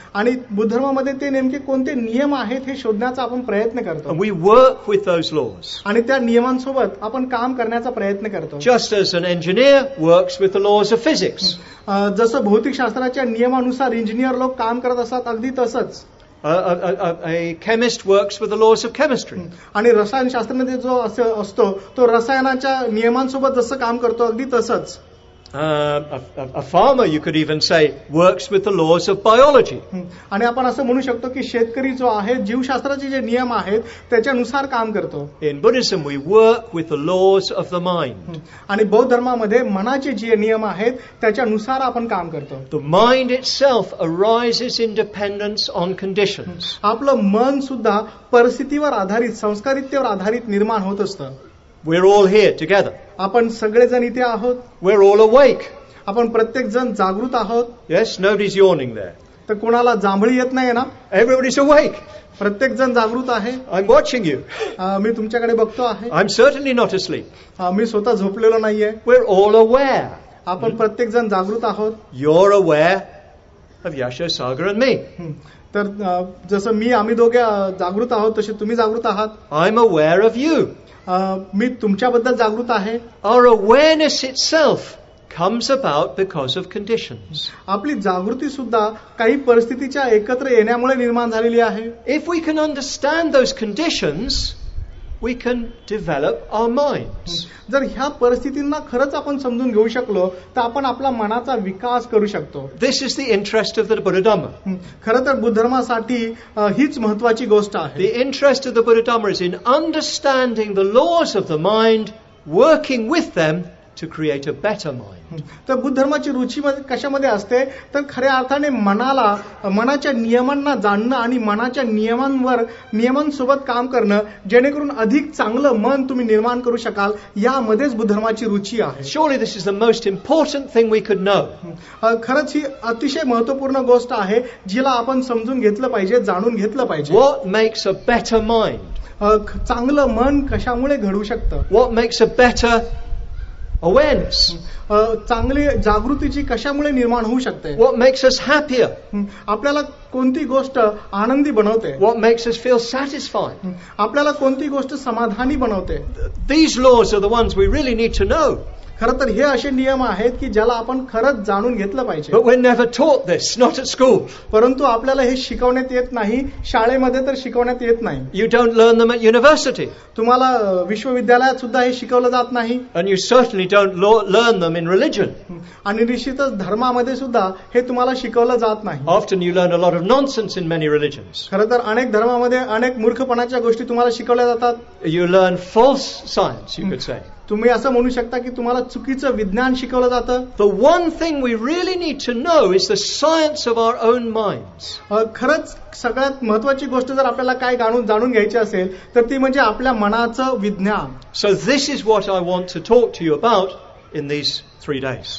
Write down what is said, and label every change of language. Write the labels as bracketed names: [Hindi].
[Marathi] आणि बुद्धर्मामध्ये ते नेमके कोणते नियम आहेत हे शोधण्याचा आपण प्रयत्न करतो. [English] We work with those laws. [Marathi] आणि त्या नियमांसोबत आपण काम करण्याचा प्रयत्न करतो. [English] Just as an engineer works with the laws of physics. [Marathi] जसं भौतिकशास्त्राच्या नियमानुसार इंजिनियर लोक काम करत असतात अगदी तसंच. [English] A chemist works with the laws of chemistry. [Marathi] आणि रसायनशास्त्रामध्ये जो असतो तो रसायनांच्या नियमांसोबत जसं काम करतो अगदी तसंच. [English] A farmer, you could even say, works with the laws of biology. [Marathi] आणि आपण असं म्हणू शकतो की शेतकरी जो आहे जीवशास्त्राचे जे नियम आहेत त्याच्यानुसार काम करतो. [English] In Buddhism, we work with the laws of the mind. [Marathi] आणि बौद्ध धर्मामध्ये मनाचे जे नियम आहेत त्याच्यानुसार आपण काम करतो. [English] The mind itself arises in dependence on conditions. [Marathi] आपलं मन सुद्धा परिस्थितीवर आधारित संस्कारितेवर आधारित निर्माण होत असतं. [English] We're all here together. [Marathi] आपण सगळे जण इथे आहोत. [English] We're all awake. [Marathi] आपण प्रत्येक जण जागृत आहोत. [English] Yes, nobody's yawning there. [Marathi] तर कोणाला जांभळी येत नाहीये ना. [English] Everybody's awake. [Marathi] प्रत्येक जण जागृत आहे. [English] I'm watching you. [Marathi] मी तुमच्याकडे बघतो आहे. [English] I'm certainly not asleep. [Marathi] मी स्वतः झोपलेलो नाहीये. [English] We're all aware. [Marathi] आपण प्रत्येक जण जागृत आहोत. [English] You're aware of Yasho, Sagar and me. [Marathi] तर जसं मी आम्ही दोघे जागृत आहोत तसे तुम्ही जागृत आहात. [English] I'm aware of you. [Marathi] मी तुमच्याबद्दल जागृत आहे. [English] Our awareness itself comes about because of conditions. [Marathi] आपली जागृती सुद्धा काही परिस्थितीच्या एकत्र येण्यामुळे निर्माण झालेली आहे. [English] If we can understand those conditions, we can develop our minds. [Marathi] जर ह्या परिस्थितींना खरंच आपण समजून घेऊ शकलो तर आपण आपला मनाचा विकास करू शकतो. [English] This is the interest of the Buddha Dhamma. [Marathi] खरं तर बुद्ध धर्मासाठी हीच महत्वाची गोष्ट आहे. [English] The interest of the Buddha Dhamma is in understanding the laws of the mind, working with them to create a better mind. [Marathi] तर बुद्ध धर्माची रुची कशामध्ये असते तर खऱ्या अर्थाने मनाला मनाच्या नियमांना जाणणं आणि मनाच्या नियमांवर नियमांसोबत काम करणं जेणेकरून अधिक चांगलं मन तुम्ही निर्माण करू शकाल यामध्येच बुद्ध धर्माची रुची आहे. [English] Surely this is the most important thing we could know. [Marathi] खरंच ही अतिशय महत्वपूर्ण गोष्ट आहे जिला आपण समजून घेतलं पाहिजे जाणून घेतलं पाहिजे. [English] What makes a better mind? [Marathi] चांगलं मन कशामुळे घडू शकतं. [English] What makes a better awareness? [Marathi] चांगली जागृतीची कशामुळे निर्माण होऊ शकते. [English] What makes us happier? [Marathi] आपल्याला कोणती गोष्ट आनंदी बनवते. [English] What makes us feel satisfied? [Marathi] आपल्याला कोणती गोष्ट समाधानी बनवते. [English] These laws are the ones we really need to know. [Marathi] खरं तर हे असे नियम आहेत की ज्याला आपण खरंच जाणून घेतलं पाहिजे. [English] But we're never taught this, not at school. [Marathi] परंतु आपल्याला हे शिकवण्यात येत नाही, शाळेमध्ये तर शिकवण्यात येत नाही. [English] You don't learn them at university. [Marathi] तुम्हाला विश्वविद्यालयात सुद्धा हे शिकवलं जात नाही. [English] And you certainly don't learn them in religion. [Marathi] आणि निश्चितच धर्मामध्ये सुद्धा हे तुम्हाला शिकवलं जात नाही. [English] Often you learn a lot of nonsense in many religions. [Marathi] खरं तर अनेक धर्मामध्ये अनेक मूर्खपणाच्या गोष्टी तुम्हाला शिकवल्या जातात. [English] You learn false science, you could say. [Marathi] तुम्ही असं म्हणू शकता की तुम्हाला चुकीचं विज्ञान शिकवलं जातं. [English] The one thing we really need to know is the science of our own minds. [Marathi] खरंच सगळ्यात महत्वाची गोष्ट जर आपल्याला काय जाणून घ्यायची असेल तर ती म्हणजे आपल्या मनाचं विज्ञान. [English] So this is what I want to talk to you about in this 3 days.